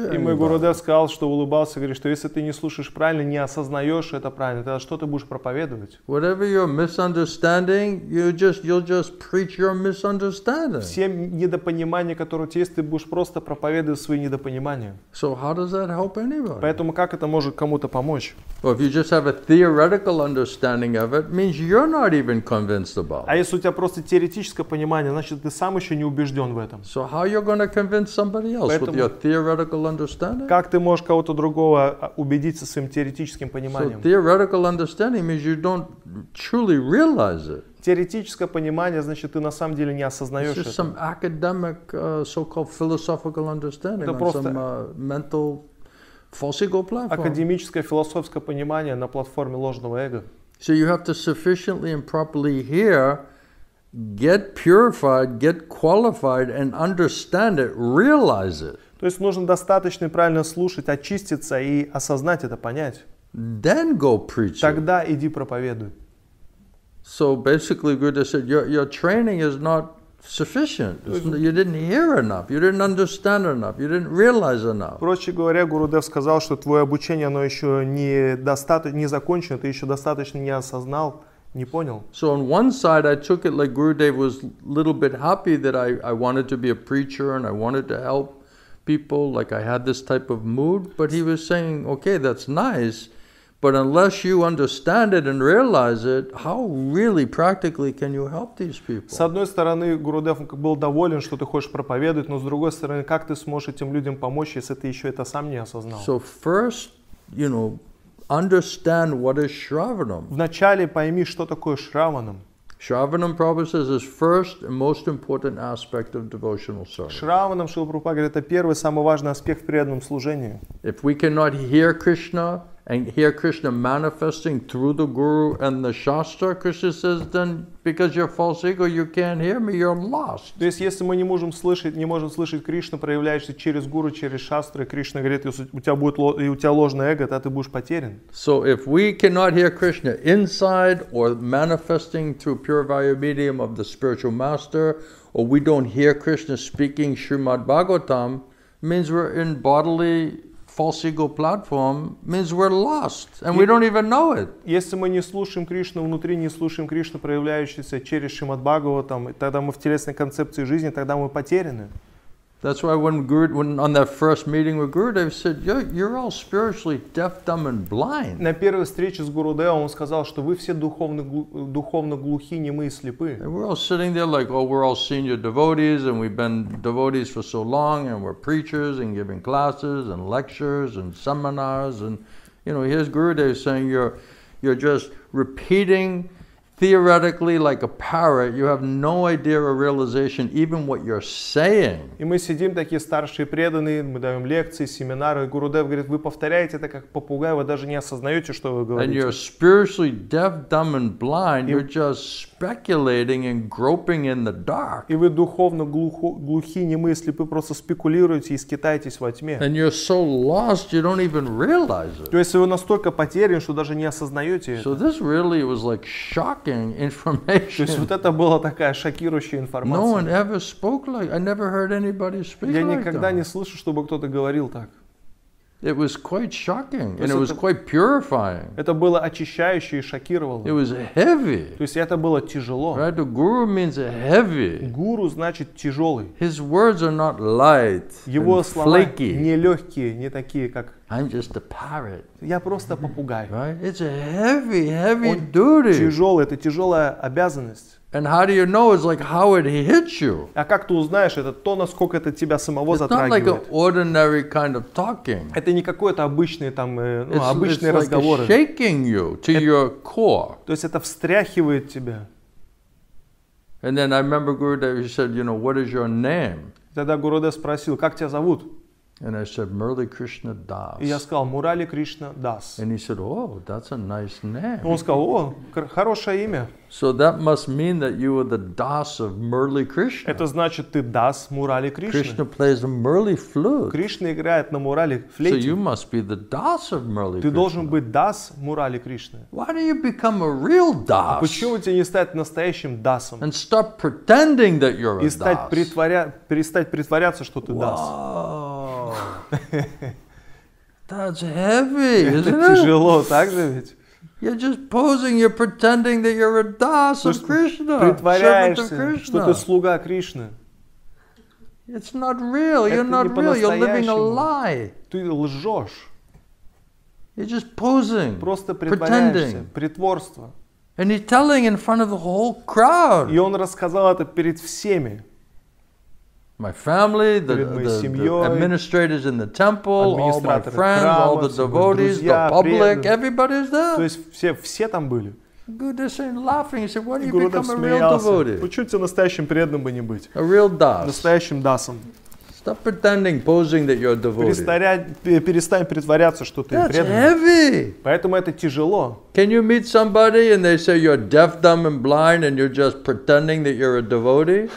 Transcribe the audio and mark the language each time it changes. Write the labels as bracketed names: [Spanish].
[Russian] И мой Гурудев сказал, что улыбался, говорит, что если ты не слушаешь правильно, не осознаешь это правильно, тогда что ты будешь проповедовать? [English] Whatever your misunderstanding, you'll just preach your misunderstanding. [Russian] Все недопонимания, которые у тебя есть, ты будешь просто проповедовать свои недопонимания. [English] So how does that help anybody? [Russian] Поэтому как это может кому-то помочь? [English] Well, if you just have a theoretical understanding of it, means you're not even convinced about it. [Russian] А если у тебя просто теоретическое понимание, значит ты сам еще не убежден в этом. [English] So how you're going to convince somebody else [Russian] Поэтому, [English] with your theoretical understanding? [Russian] Как ты можешь кого-то другого убедить со своим теоретическим пониманием? [English] So theoretical understanding means you don't truly realize it. [Russian] Теоретическое понимание, значит, ты на самом деле не осознаешь [English] It's just Some academic, so-called philosophical understanding [Russian] это просто [English] on some, mental false ego platform. [Russian] Академическое философское понимание на платформе ложного эго. [English] So you have to sufficiently and properly hear get purified, get qualified, and understand it, realize it. [Russian] То есть нужно достаточно правильно слушать, очиститься и осознать это, понять. [English] Then go preach. [Russian] Тогда иди проповедуй. [English] So basically, Gurudev said, your training is not sufficient. You didn't hear enough. You didn't understand enough. You didn't realize enough. [Russian] Проще говоря, Гурудев сказал, что твое обучение, оно еще не закончено, ты еще достаточно не осознал. Не понял. [English] So on one side, I took it like Gurudev was a little bit happy that I wanted to be a preacher and I wanted to help people, like I had this type of mood. But he was saying, okay, that's nice, but unless you understand it and realize it, how really practically can you help these people? [Russian] С одной стороны, Гурудев был доволен, что ты хочешь проповедовать, но с другой стороны, как ты сможешь этим людям помочь, если ты еще это сам не осознал? [English] So first, you know, understand what is shravanam. [Russian] Вначале пойми, что такое шраванам. [English] Shravanam, Prabhupada says, is first and most important aspect of devotional service. [Russian] Шраванам, Шрила Прабхупада говорит, это первый самый важный аспект в преданном служении. [English] If we cannot hear Krishna And here Krishna manifesting through the guru and the shastra, Krishna says, then because you're false ego, you can't hear me, you're lost. [Russian] То есть если мы не можем слышать Кришну, проявляющуюся через гуру, через шастру, Кришна говорит, если у тебя будет и у тебя ложное эго, то ты будешь потерян. [English] So if we cannot hear Krishna inside or manifesting through pure vayu medium of the spiritual master, or we don't hear Krishna speaking Srimad Bhagavatam, means we're in bodily false ego platform, means we're lost, and we don't even know it. [Russian] Если мы не слушаем Кришну внутри, не слушаем Кришну, проявляющуюся через Шримад Бхагаватам, тогда мы в телесной концепции жизни, тогда мы потеряны. [English] That's why when on that first meeting with Gurudev, he said, you're all spiritually deaf, dumb, and blind. [Russian] На первой встрече с Гурудевом он сказал, что вы все духовно глухи, немы и слепы. [English] And we're all sitting there like, oh, we're all senior devotees, and we've been devotees for so long, and we're preachers, and giving classes, and lectures, and seminars, and, you know, here's Gurudev saying, you're just repeating theoretically, like a parrot, you have no idea or realization even what you're saying. [Russian] И мы сидим такие старшие преданные, мы даем лекции, семинары. Гурудев говорит, вы повторяете это как попугай, вы даже не осознаете, что вы говорите. [English] And you're spiritually deaf, dumb, and blind. You're just speculating and groping in the dark. [Russian] И вы духовно глухи, немы, слепы, просто спекулируете и скитаетесь во тьме. [English] And you're so lost, you don't even realize it. [Russian] То есть вы настолько потерян, что даже не осознаете это. [English] So this really was like shock. [Russian] То есть вот это была такая шокирующая информация. [English] No one ever spoke like, I never heard anybody speak like that. [Russian] Я никогда не слышал, чтобы кто-то говорил так. [English] It was quite shocking, and it was quite purifying. [Russian] Это было очищающе и шокировало. [English] It was heavy. [Russian] То есть это было тяжело. [English] Right? The guru means heavy. [Russian] Гуру значит тяжелый. [English] His words are not light. [Russian] Его слова не легкие, не такие как. [English] I'm just a parrot. [Russian] Я просто попугай. [English] Right? It's a heavy, heavy duty. [Russian] Тяжелый, это тяжелая обязанность. [English] And how do you know? It's like how it hits you. [Russian] А как ты узнаешь? Это то, насколько это тебя самого затрагивает. [English] It's not like an ordinary kind of talking. [Russian] Это не какой-то обычный там, ну, обычный разговор. [English] It's like shaking you to your core. [Russian] То есть это встряхивает тебя. [English] And then I remember Gurudev, he said, you know, what is your name? [Russian] Тогда Гурудев спросил, как тебя зовут? [English] And I said, Murali Krishna Das. [Russian] И я сказал, Мурали Кришна Дас. [English] And he said, oh, that's a nice name. [Russian] Он сказал, о, хорошее имя. [English] So that must mean that you are the Das of Murali Krishna. [Russian] Это значит, ты Дас Мурали Кришна. [English] Krishna plays a Murali flute. [Russian] Кришна играет на Мурали флейте. [English] So you must be the Das of Murali Krishna. [Russian] Ты должен быть Дас Мурали Кришны. [English] Why do you become a real Das? [Russian] А почему тебе не стать настоящим Дасом? [English] And stop pretending that you're a Das. [Russian] И стать перестать притворяться, что ты Дас. [English] That's heavy, isn't it? [Russian] Это тяжело, так же ведь? [English] You're just posing, you're pretending that you're a das of Krishna. [Russian] Притворяешься, что ты слуга Кришны. [English] It's not real, you're not real, you're living a lie. [Russian] Ты лжешь. [English] You're just posing, [Russian] просто притворяешься, притворство. [English] And he's telling in front of the whole crowd. [Russian] И он рассказал это перед всеми. [English] My family, the administrators in the temple, all my friends, [Russian] храма, [English] all the devotees, [Russian] друзья, [English] the public, [Russian] преданные. [English] Everybody is there. [Russian] То есть все там были. [English] Gurudev saying, laughing, he said, why do you become a real devotee? [Russian] Почему тебе настоящим преданным бы не быть? [English] A real das. [Russian] Настоящим дасом. [English] Stop pretending, posing that you're a devotee. [Russian] Перестань притворяться, что ты [English] That's [Russian] преданный. [English] Heavy. [Russian] Поэтому это тяжело. [English] Can you meet somebody and they say you're deaf, dumb, and blind, and you're just pretending that you're a devotee?